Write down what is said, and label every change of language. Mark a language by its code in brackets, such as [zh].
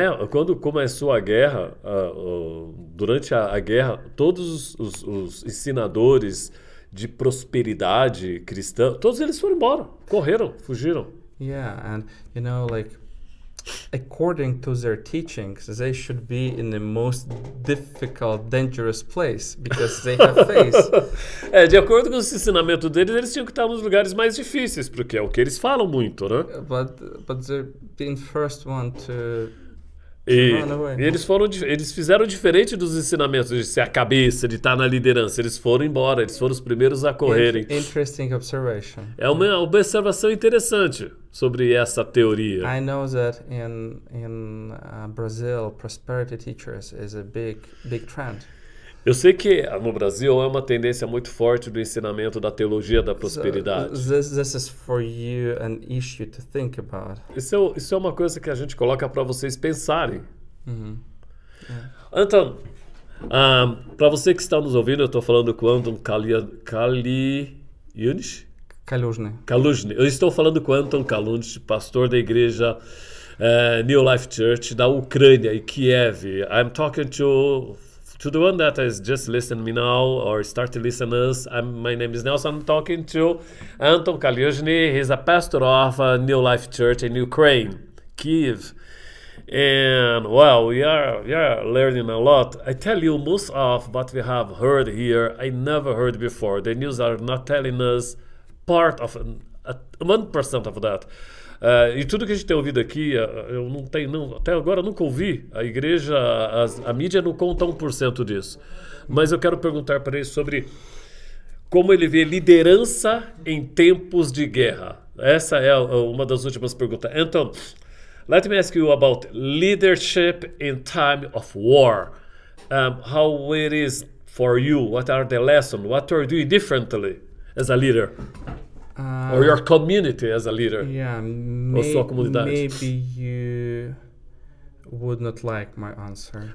[pt] Quando começou a guerra, durante a guerra, todos os ensinadores de prosperidade cristã, todos eles foram embora, correram, fugiram. [en] Yeah, and you know, like, according to their teachings, they should be in the most difficult, dangerous place because they have faith. [pt] É, de acordo com o ensinamento deles, eles tinham que estar nos lugares mais difíceis, porque é o que eles falam muito, né? [en] But they're being first one to [pt] Eles fizeram diferente dos ensinamentos de ser a cabeça, de estar na liderança. Eles foram embora, eles foram os primeiros a correrem. [en] Interesting observation. [pt] É uma observação interessante sobre essa teoria. [en] I know that in Brazil, prosperity teachers is a big trend. [pt] Eu sei que no Brasil é uma tendência muito forte do ensinamento da teologia da prosperidade. [en] This is for you an issue to think about. [pt] Isso é uma coisa que a gente coloca para vocês pensarem. Uh-huh. [en] Yeah. [pt] Anton, para você que está nos ouvindo, eu estou falando com Anton Kaluzhny. Eu estou falando com Anton Kaluzhny, pastor da igreja New Life Church da Ucrânia, em Kiev. [en] I'm talking to the one that is just listening me now or start to listen us. My name is Nelson. I'm talking to Anton Kaluzhny. He's a pastor of a New Life Church in Ukraine, Kyiv. And, well, we are learning a lot. I tell you, most of what we have heard here, I never heard before. The news are not telling us part of 1% of that. [pt] E tudo que a gente tem ouvido aqui, eu não tenho, não, até agora nunca ouvi. A igreja, a mídia não conta 1% disso. Mas eu quero perguntar para ele sobre como ele vê liderança em tempos de guerra. Essa é uma das últimas perguntas. [en] Então, let me ask you about leadership in time of war. How it is for you? What are the lessons? What are you doing differently as a leader? Or your community as a leader. Yeah, maybe you would not like my answer.